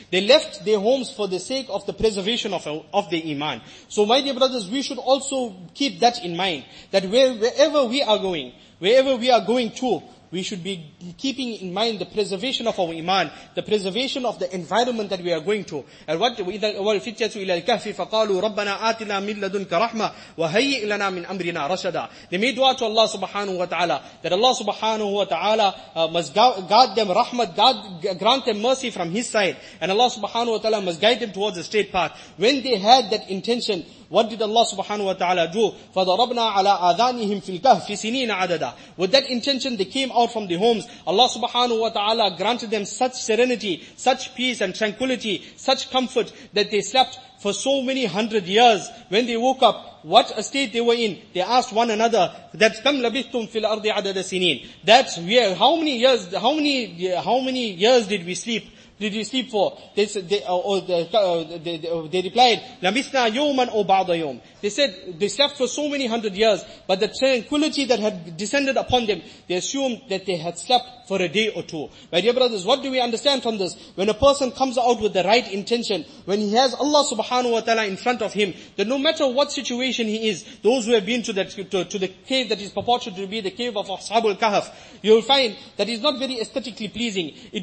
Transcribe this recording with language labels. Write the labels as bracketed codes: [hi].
[en] They left their homes for the sake of the preservation of the iman. So my dear brothers, we should also keep that in mind, that wherever we are going to, we should be keeping in mind the preservation of our iman, the preservation of the environment that we are going to. And what [ar] إِذَا وَالْفِتْيَةُ إِلَى الْكَهْفِ فَقَالُوا رَبَّنَا آتِنَا مِنْ لَدُنْكَ رَحْمَةً وَهَيِّئْ لَنَا مِنْ أَمْرِنَا رَشَدًا. [en] They made dua to Allah subhanahu wa ta'ala, that Allah subhanahu wa ta'ala must guard them rahmat, God grant them mercy from His side, and Allah subhanahu wa ta'ala must guide them towards the straight path. When they had that intention, what did Allah subhanahu wa ta'ala do? [ar] فَضَرَبْنَا عَلَىٰ آذَانِهِمْ فِي الْكَهْفِ سِنِينَ عَدَدًا. [en] With that intention, they came out from the homes. Allah subhanahu wa ta'ala granted them such serenity, such peace and tranquility, such comfort, that they slept for so many 100 years. When they woke up, what a state they were in. They asked one another, that [ar] كَمْ لَبِثْتُمْ فِي الْأَرْضِ عَدَدَ سِنِينَ. [en] That, how many years did we sleep? Did you sleep for? They replied, [ar] لَمِثْنَا يَوْمًا أَوْ بَعْضَ يَوْمٍ. [en] They said, they slept for so many 100 years, but the tranquility that had descended upon them, they assumed that they had slept for a day or two. My dear brothers, what do we understand from this? When a person comes out with the right intention, when he has Allah subhanahu wa ta'ala in front of him, that no matter what situation he is, those who have been to the cave that is purported to be the cave of Ashabul Kahf, you'll find that it's not very aesthetically pleasing.